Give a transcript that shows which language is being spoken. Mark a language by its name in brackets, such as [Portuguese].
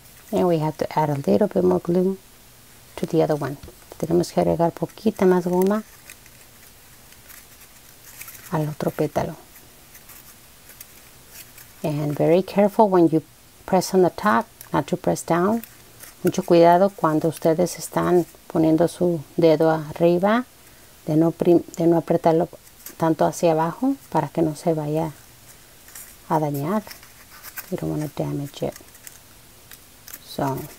[English] And we have to add a little bit more glue to the other one. [Spanish] tenemos que agregar poquita más goma al otro pétalo. [English] And very careful when you press on the top, not to press down. [Spanish] Mucho cuidado cuando ustedes están poniendo su dedo arriba, de no apretarlo tanto hacia abajo para que no se vaya a dañar. [English] You don't want to damage it. So.